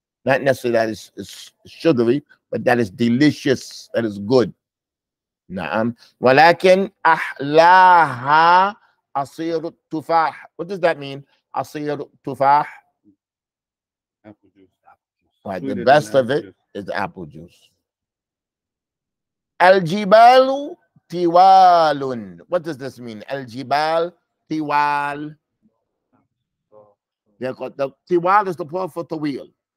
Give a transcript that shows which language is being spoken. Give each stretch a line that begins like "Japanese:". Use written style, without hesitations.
English: Not necessarily that is sugary, but that is delicious, that is good.
Arabic: نعم. ولكن أحلاها عصير التفاح.
English: What does that mean?
Arabic: عصير التفاح.
English: Apple juice. Right. The best of it is apple juice.
Arabic: الجبال طوال.
English: What does this mean?
Arabic: الجبال طوال.
English: The طوال is the plural for the wheel.